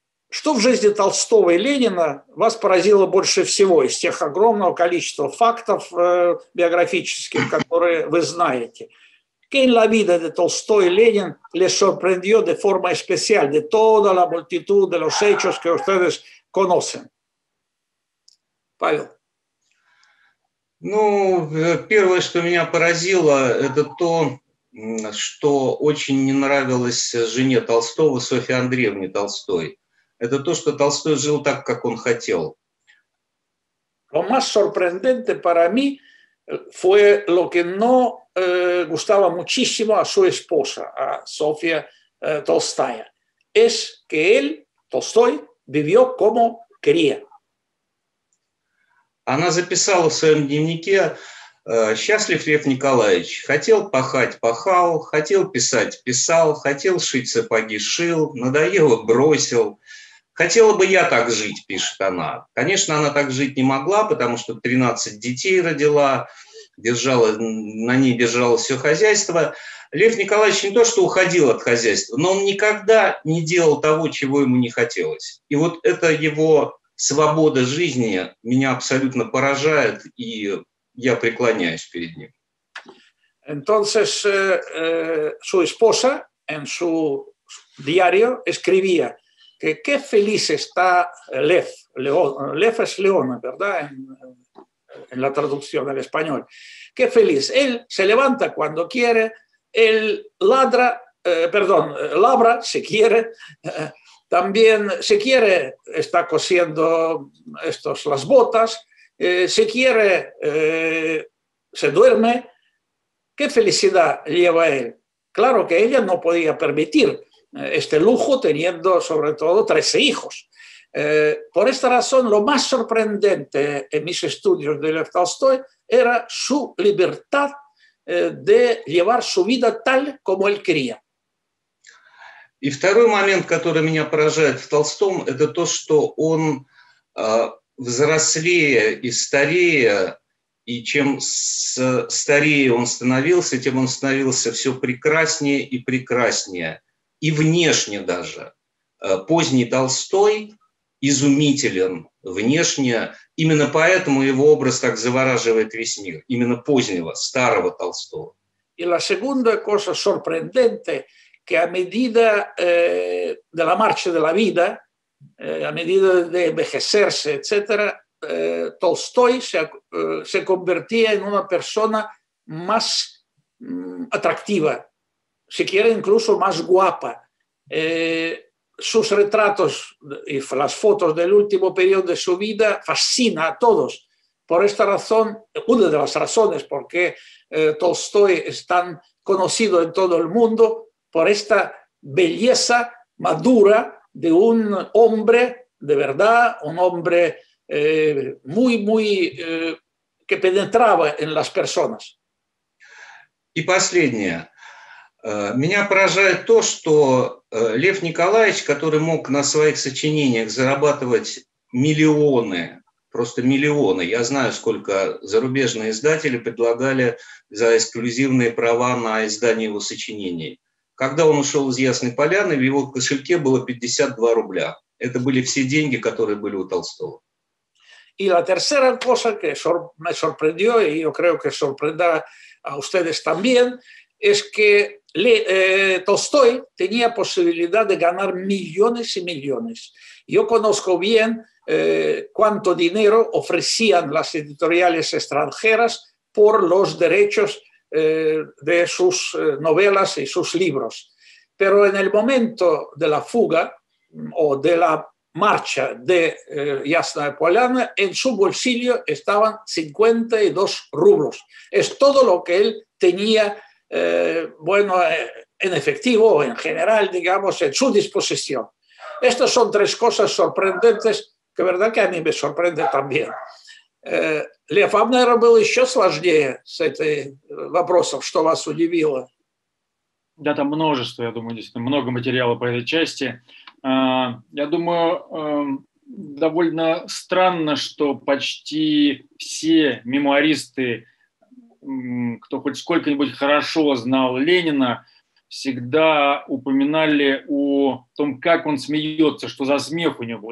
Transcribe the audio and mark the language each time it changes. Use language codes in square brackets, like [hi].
[ru] Что в жизни Толстого и Ленина вас поразило больше всего из тех огромного количества фактов биографических, которые вы знаете? [es] ¿Qué en la vida de Tolstoy y Lenin les sorprendió de forma especial de toda la multitud de los hechos que ustedes conocen? [ru] Павел. Ну, первое, что меня поразило, это то, что очень не нравилось жене Толстого, Софье Андреевне Толстой. Это то, что Толстой жил так, как он хотел. Lo más sorprendente para mí fue lo que no gustaba muchísimo a su esposa, a Sofía Tolstoy, es que él, Tolstoy, vivió como quería. Она записала в своем дневнике: «Счастлив Лев Николаевич, хотел пахать – пахал, хотел писать – писал, хотел шить сапоги – шил, надоело – бросил. Хотела бы я так жить», – пишет она. Конечно, она так жить не могла, потому что 13 детей родила, держала, на ней держала все хозяйство. Лев Николаевич не то что уходил от хозяйства, но он никогда не делал того, чего ему не хотелось. И вот это его свобода жизни меня абсолютно поражает, и я преклоняюсь перед ним. [es] Entonces, su esposa, en su diario, escribía que qué feliz está Lev. Lev es Leona, ¿verdad? En la traducción al español. Qué feliz. Él se levanta cuando quiere, él ladra, perdón, labra si quiere. También, si quiere, está cosiendo estos, las botas. Si quiere, se duerme. ¿Qué felicidad lleva él? Claro que ella no podía permitir este lujo teniendo, sobre todo, 13 hijos. Por esta razón, lo más sorprendente en mis estudios de Lev Tolstoy era su libertad de llevar su vida tal como él quería. [ru] И второй момент, который меня поражает в Толстом, это то, что он взрослее и старее, и чем старее он становился, тем он становился все прекраснее и прекраснее, и внешне даже. Поздний Толстой изумителен внешне, именно поэтому его образ так завораживает весь мир, именно позднего, старого Толстого. И [es] la segunda cosa sorprendente que a medida de la marcha de la vida, a medida de envejecerse, etc., Tolstoy se convertía en una persona más atractiva, si quiere incluso más guapa. Sus retratos y las fotos del último periodo de su vida fascina a todos. Por esta razón, una de las razones por qué Tolstoy es tan conocido en todo el mundo, por esta belleza madura de un hombre de verdad, un hombre muy, muy, que penetraba en las personas. Y [ru] последнее. Меня поражает то, что Лев Николаевич, который мог на своих сочинениях зарабатывать миллионы, просто миллионы, я знаю, сколько зарубежные издатели предлагали за эксклюзивные права на издание его сочинений. Когда он ушел из Ясной Поляны, в его кошельке было 52 рубля. Это были все деньги, которые были у Толстого. И [es] la tercera cosa que me sorprendió, y yo creo que sorprenderá a ustedes también, es que Tolstoy tenía posibilidad de ganar millones y millones. Yo conozco bien cuánto dinero ofrecían las editoriales extranjeras por los derechos de sus novelas y sus libros. Pero en el momento de la fuga o de la marcha de Ясная Поляна, en su bolsillo estaban 52 rublos. Es todo lo que él tenía, bueno, en efectivo o en general, digamos, en su disposición. Estas son tres cosas sorprendentes que, verdad, que a mí me sorprende también. [ru] Лев, вам, наверное, было еще сложнее с этим вопросом, что вас удивило? Да, там множество, я думаю, действительно, много материала по этой части. Я думаю, довольно странно, что почти все мемуаристы, кто хоть сколько-нибудь хорошо знал Ленина, всегда упоминали о том, как он смеется, что за смех у него был.